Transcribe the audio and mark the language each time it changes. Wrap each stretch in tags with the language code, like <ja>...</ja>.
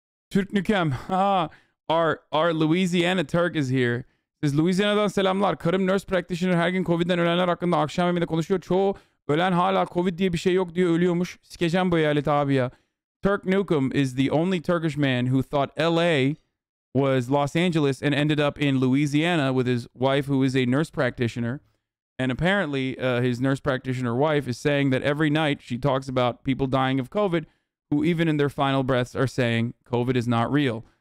<en>Türk Nükem, our Louisiana Turk is here.</en> <tr>Siz Louisiana'dan selamlar. Karım nurse practitioner, her gün COVID'den ölenler hakkında akşam yemeğinde konuşuyor. Çoğu ölen hala COVID diye bir şey yok diye ölüyormuş. Sikecem bu eyalet abi ya.</tr> <en>Türk Nükem is the only Turkish man who thought LA was Los Angeles and ended up in Louisiana with his wife who is a nurse practitioner. And apparently his nurse practitioner wife is saying that every night she talks about people dying of COVID who even in their final breaths are saying COVID is not real.</en>